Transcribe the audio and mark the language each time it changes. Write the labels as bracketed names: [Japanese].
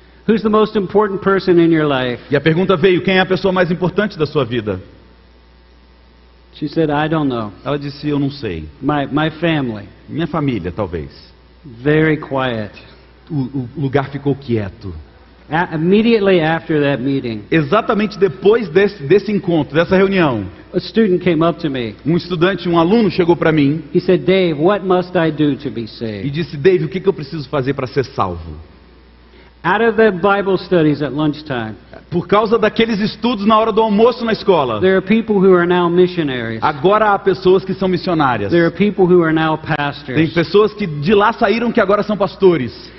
[English] Who's the most important person in your life? [Portuguese] E a pergunta veio, quem é a pessoa mais importante da sua vida? [English] She said, I don't know. [Portuguese] Ela disse, eu não sei. [English] My family. [Portuguese] Minha família, talvez. [English] Very quiet. [Portuguese] O lugar ficou quieto. [English] Immediately after that meeting. [Portuguese] Exatamente depois desse encontro, dessa reunião. [English] A student came up to me. [Portuguese] Um aluno chegou para mim. [English] He said, Dave, what must I do to be saved? [Portuguese] E disse, Dave, o que eu preciso fazer para ser salvo? [English] Out of the Bible studies at lunchtime. [Portuguese] Por causa daqueles estudos na hora do almoço na escola. [English] There are people who are now missionaries. [Portuguese] Agora há pessoas que são missionárias. [English] There are people who are now pastors. [Portuguese] Tem pessoas que de lá saíram que agora são pastores.